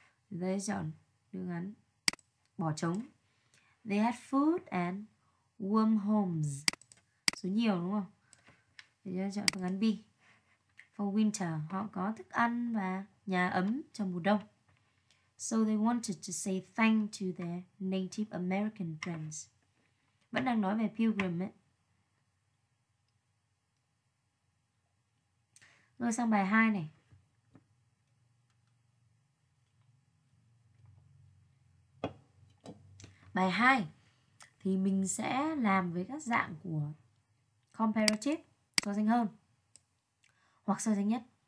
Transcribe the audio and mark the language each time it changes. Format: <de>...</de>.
<vi>Chúng ta sẽ chọn đường ngắn. Bỏ trống.</vi> <en>They had food and warm homes.</en> <vi>Số nhiều đúng không? Thì chúng ta chọn phương án B.</vi> <en>For winter.</en> <vi>Họ có thức ăn và nhà ấm trong mùa đông.</vi> <en>So they wanted to say thank to their Native American friends.</en> <vi>Vẫn đang nói về Pilgrim ấy. Rồi sang bài 2 này. Bài 2 thì mình sẽ làm với các dạng của comparative, so sánh hơn hoặc so sánh nhất.</vi>